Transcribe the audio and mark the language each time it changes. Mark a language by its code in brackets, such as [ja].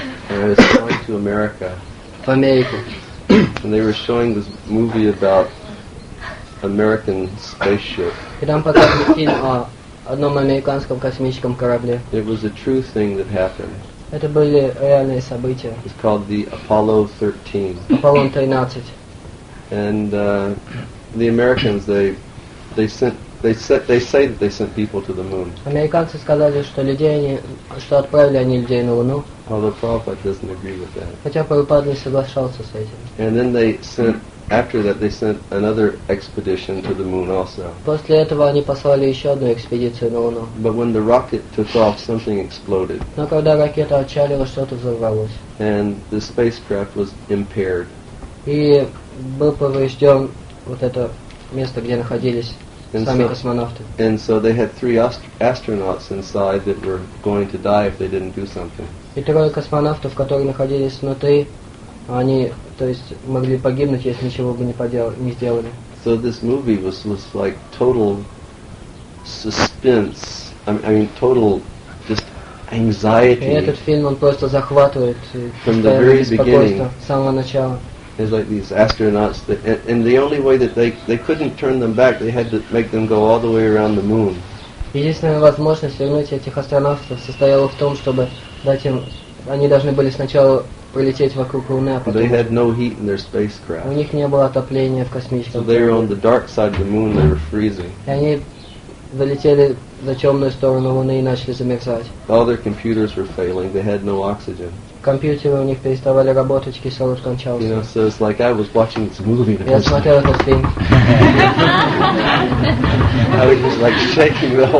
[en] And I was going to America. [ru] В Америку. [en] And they were showing this movie about American spaceship. [ru] И там показывали фильм о одном американском космическом корабле. [en] It was a true thing that happened. [ru] Это были реальные события. [en] It's called the Apollo 13. [ru] Аполлон 13. [en] And the Americans they say that they sent people to the moon. [ru] Американцы сказали, что отправили они людей на Луну. [en] Although Prabhupada doesn't agree with that. [ru] Хотя Прабхупада не соглашался с этим. [en] And then after that they sent another expedition to the moon also. [ru] После этого они послали еще одну экспедицию на Луну. [en] But when the rocket took off, something exploded. [ru] Но когда ракета отчалила, что-то взорвалось. [en] And the spacecraft was impaired. [ru] И был поврежден вот это место, где находились and сами космонавты. [en] And so they had three astronauts inside that were going to die if they didn't do something. [ru] И трое космонавтов, которые находились внутри, они, то есть, могли погибнуть, если ничего бы не сделали. [en] So this movie was like total suspense. I mean total just anxiety. [ru] И этот фильм, он просто захватывает. [en] From the very beginning. [ru] С самого начала. [en] It's like these astronauts, that, and the only way that they couldn't turn them back, they had to make them go all the way around the moon. [ru] Единственная возможность вернуть этих астронавтов состояла в том, чтобы дать им, они должны были сначала прилететь вокруг Луны, а потом. [en] They had no heat in their spacecraft. [ru] У них не было отопления в космическом корабле. [en] So they were on the dark side of the moon, they were freezing. [ru] И они залетели на темную сторону Луны и начали замерзать. [en] All their computers were failing, they had no oxygen. [ru] Компьютеры у них переставали работать, кислород кончался. [en] You know, so it's like I was watching this movie. [ru] Я смотрел этот фильм. [en] I was just like shaking the whole